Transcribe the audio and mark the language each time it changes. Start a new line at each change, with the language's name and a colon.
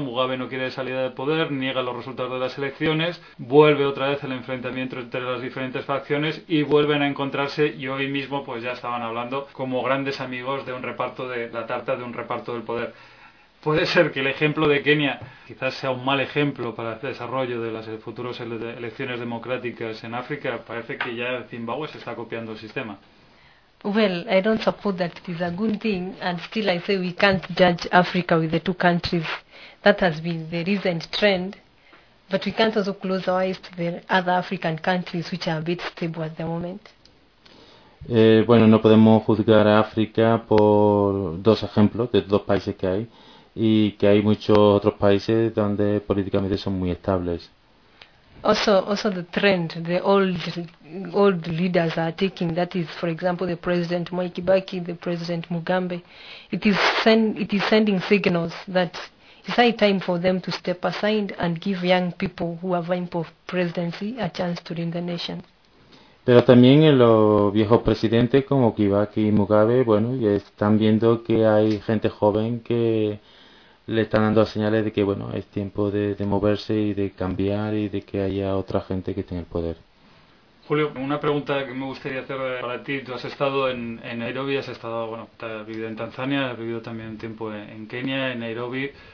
Spanish: Mugabe no quiere salida del poder, niega los resultados de las elecciones, vuelve otra vez el enfrentamiento entre las diferentes facciones y vuelven a encontrarse, y hoy mismo pues ya estaban hablando como grandes amigos de un reparto de la tarta, de un reparto del poder. ¿Puede ser que el ejemplo de Kenia quizás sea un mal ejemplo para el desarrollo de las futuras elecciones democráticas en África? Parece que ya Zimbabue se está copiando el sistema.
English: Well, I don't support that it is a good thing, and still I say we can't judge Africa with the two countries. That has been the recent trend, but we can't also close our eyes to the other African countries which are a bit stable at the moment.
Spanish: Bueno, no podemos juzgar a África por dos ejemplos de dos países que hay. y que hay muchos otros países donde políticamente son muy estables.
English: Also the trend, the old leaders are taking, that is, for example, the President Mwai Kibaki, the President Mugabe. It is sending signals that it's high time for them to step aside and give young people who are vying for presidency a chance to lead the nation.
Spanish: Pero también en los viejos presidentes como Kibaki y Mugabe, bueno, ya están viendo que hay gente joven que le están dando señales de que, bueno, es tiempo de moverse y de cambiar y de que haya otra gente que esté en el poder. Julio, una pregunta que me gustaría hacer para ti. Tú has estado en Nairobi, has estado, bueno, has vivido en Tanzania, has vivido también un tiempo en Kenia, en Nairobi.